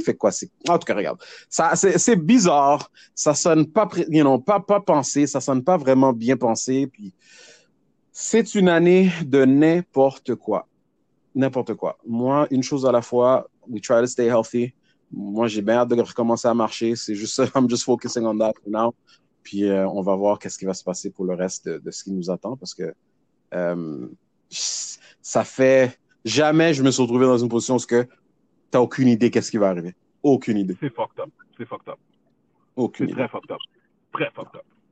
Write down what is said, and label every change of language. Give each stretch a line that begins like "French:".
French: Fait quoi? En tout cas, regarde. Ça c'est bizarre. Ça sonne pas, pas pensé. Ça sonne pas vraiment bien pensé. Puis c'est une année de n'importe quoi. N'importe quoi. Moi, une chose à la fois,
English: we try to stay healthy.
French: Moi, j'ai bien hâte de recommencer à marcher. C'est juste ça,
English: I'm just focusing on that for now.
French: Puis on va voir qu'est-ce qui va se passer pour le reste de ce qui nous attend. Parce que ça fait jamais je me suis retrouvé dans une position où tu n'as aucune idée qu'est-ce qui va arriver. Aucune idée. C'est fucked up. C'est fucked up. Aucune idée. C'est très fucked up. Très fucked up.